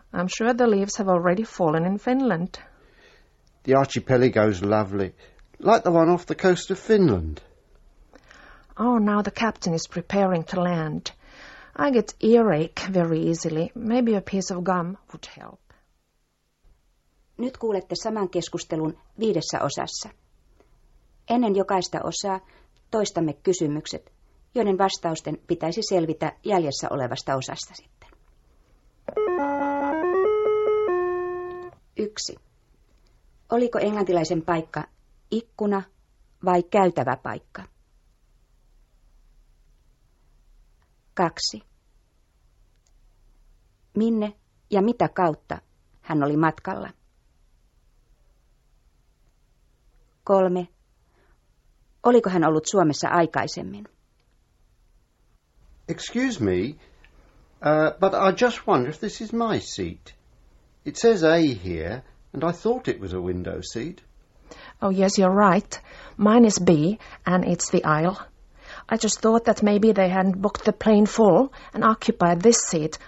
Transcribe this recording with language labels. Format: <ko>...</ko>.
<en>I'm sure the leaves have already fallen in Finland. The archipelago's lovely, like the one off the coast of Finland. Oh, now the captain is preparing to land. I get earache very easily. Maybe a piece of gum would help.</en> <fi>Nyt kuulette saman keskustelun viidessä osassa. Ennen jokaista osaa toistamme kysymykset, joiden vastausten pitäisi selvitä jäljessä olevasta osasta sitten. 1. Oliko englantilaisen paikka ikkuna vai käytävä paikka? 2. Minne ja mitä kautta hän oli matkalla? 3. Oliko hän ollut Suomessa aikaisemmin?</fi> <en>Excuse me, but I just wonder if this is my seat. It says A here, and I thought it was a window seat. Oh, yes, you're right. Mine is B, and it's the aisle. I just thought that maybe they hadn't booked the plane full and occupied this seat.</en>